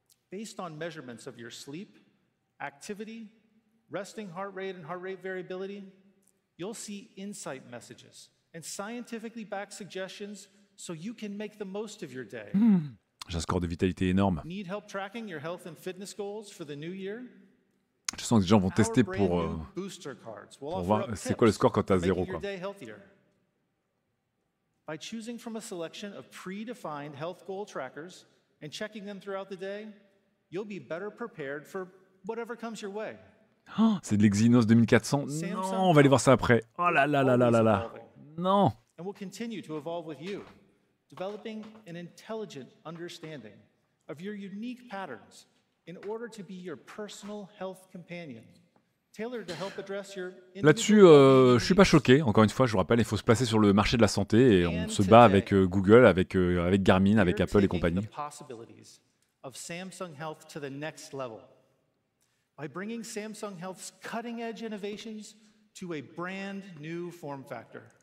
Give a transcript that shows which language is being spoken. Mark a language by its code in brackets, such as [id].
[en] Based on measurements of your sleep, activity, resting heart rate and heart rate variability, you'll see insight messages and scientifically backed suggestions so you can make the most of your day. [fr] J'ai un score de vitalité énorme. [en] Need help tracking your health and fitness goals for the new year? [fr] Je sens que les gens vont tester pour voir c'est quoi le score quand tu as zéro. Quoi. [en] By choosing from a selection of predefined health goal trackers and checking them throughout the day, you'll be better prepared for whatever comes your way. [fr] Oh, c'est de l'Exynos 2400. Non, on va aller voir ça après. Oh là là là là là là. Non. [en] And we'll continue to evolve with you, developing an intelligent understanding of your unique patterns. In order to be your personal health companion, tailored to help address your. [fr] Là-dessus, je suis pas choqué. Encore une fois, je vous rappelle, il faut se placer sur le marché de la santé et on se bat avec Google, avec Garmin, avec Apple et compagnie. [en] The possibilities of Samsung Health to the next level by bringing Samsung Health's cutting-edge innovations to a brand new form factor.